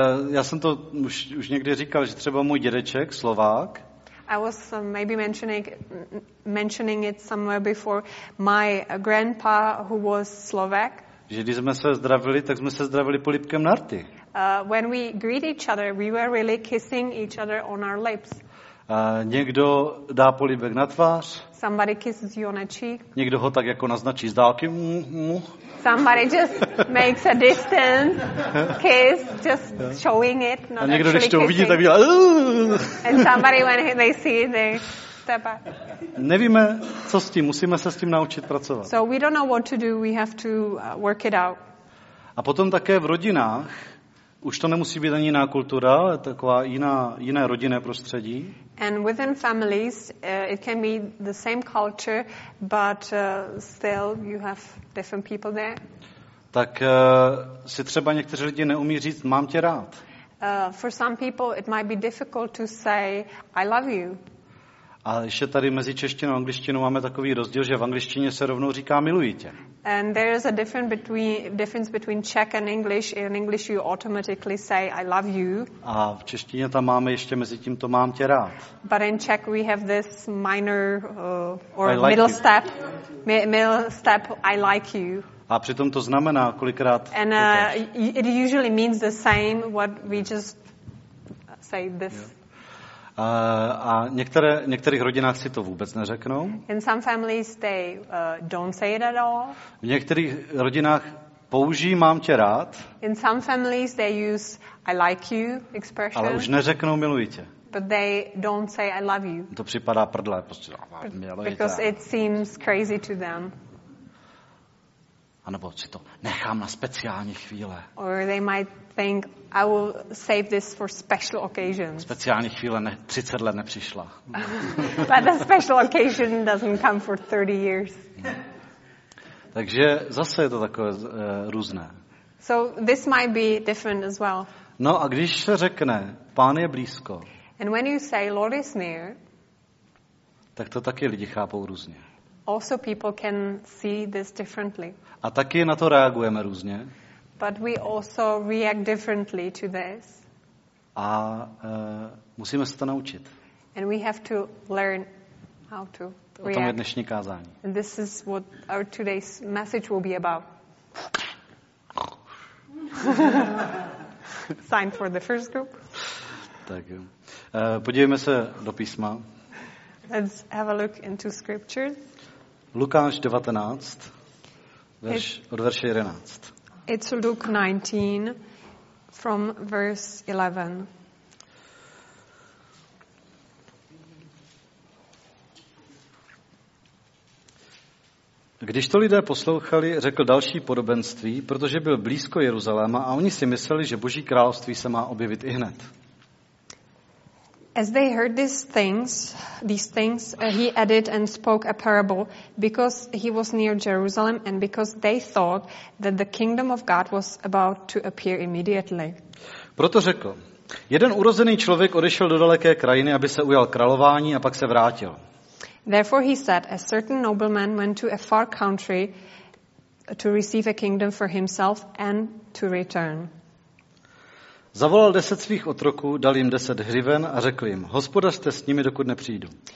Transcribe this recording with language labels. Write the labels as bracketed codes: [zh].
[cs] Já jsem to už někdy říkal, že třeba můj dědeček, Slovák. [en] I was maybe mentioning it somewhere before. My grandpa, who was Slovak. [cs] Že když jsme se zdravili, tak jsme se zdravili polibkem na rty. [en] When we greet each other, we were really kissing each other on our lips. [cs] Někdo dá polibek na tvář. [en] Somebody kisses you on a cheek. [cs] Někdo ho tak jako naznačí z dálky. [en] Somebody just makes a distance kiss, just showing it, not [cs] a někdo, [en] actually [cs] když to [en] kissing. [cs] Uvidí, tak bývá, [en] And somebody when they see it, they [cs] tebe. Nevíme, co s tím. Musíme se s tím naučit pracovat. [en] So we don't know what to do. We have to work it out. [cs] A potom také v rodinách. Už to nemusí být ani jiná kultura, ale taková jiné rodinné prostředí. [en] And within families, it can be the same culture, but still you have different people there. [cs] Tak si třeba někteří lidi neumí říct, mám tě rád. [en] For some people, it might be difficult to say, I love you. [cs] A ještě tady mezi češtinou a angličtinou máme takový rozdíl, že v angličtině se rovnou říká, miluji tě. [en] And there is a difference between Czech and English. In English you automatically say I love you. [cs] A v češtině tam máme ještě mezi tím to mám tě rád. [en] But in Czech we have this minor middle step I like you. [cs] A přitom to znamená kolikrát. [en] And it usually means the same what we just say this. [cs] A některých rodinách si to vůbec neřeknou. [en] In some families they don't say it at all. [cs] V některých rodinách použijí mám tě rád. [en] In some families they use I like you expression. [cs] Ale už neřeknou miluji tě. [en] But they don't say I love you. [cs] To připadá prdle, prostě miluji tě. [en] Because it seems crazy to them. [cs] A nebo si to nechám na speciální chvíle. [en] Or they might think I will save this for special occasions. [cs] Speciální chvíle ne, 30 let nepřišla. [en] But a special occasion doesn't come for 30 years. [cs] Takže zase je to takové různé. [en] So this might be different as well. [cs] No a když se řekne Pán je blízko. [en] And when you say Lord is near. [cs] Tak to taky lidi chápou různě. [en] Also people can see this differently. [cs] A taky na to reagujeme různě. [en] But we also react differently to this. [cs] A musíme se to naučit. [en] And we have to learn how to react. [cs] O tom je dnešní kázání. [en] And this is what our today's message will be about. Sign for the first group. [cs] Tak jo. Podívejme se do písma. [en] Let's have a look into scriptures. [cs] Lukáš 19, verše 11. [en] It's Luke 19, from verse 11. [cs] Když to lidé poslouchali, řekl další podobenství, protože byl blízko Jeruzaléma a oni si mysleli, že Boží království se má objevit ihned. [en] As they heard these things, he added and spoke a parable because he was near Jerusalem and because they thought that the kingdom of God was about to appear immediately. [cs] Proto řekl, jeden urozený člověk odešel do daleké krajiny, aby se ujal králování a pak se vrátil. [en] Therefore he said, a certain nobleman went to a far country to receive a kingdom for himself and to return. [cs] Zavolal 10 svých otroků, dal jim 10 hřiven a řekl jim, hospodařte s nimi, dokud nepřijdu.